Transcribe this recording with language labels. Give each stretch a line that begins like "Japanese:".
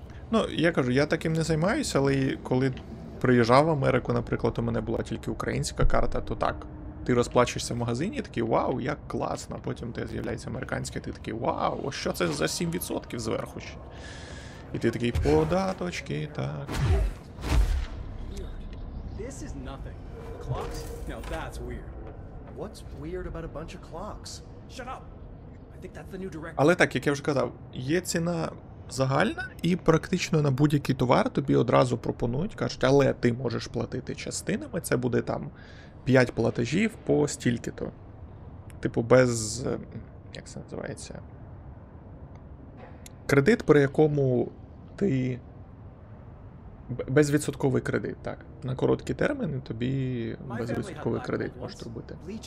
Ukrainian: Ну, я кажу, я таким не займаюся, але коли приїжджав в Америку, наприклад, у мене була тільки українська карта, то так. Ти розплачуєшся в магазині, такий, вау, як класно. Потім тебе з'являється американське, ти такий, вау, а що це за 7% зверху ще? І ти такий, податочки, так.
English: This is nothing. Clocks? Now that's weird. What's weird about a bunch of clocks? Shut up! I
Ukrainian: Але так, як я вже казав, є ціна загальна, і практично на будь-який товар тобі одразу пропонують, кажуть, але ти можеш платити частинами, це буде там 5 платежів по стільки-то. Типу без, як це називається, кредит, при якому ти, безвідсотковий кредит, так, на короткі терміни тобі безвідсотковий кредит можуть робити.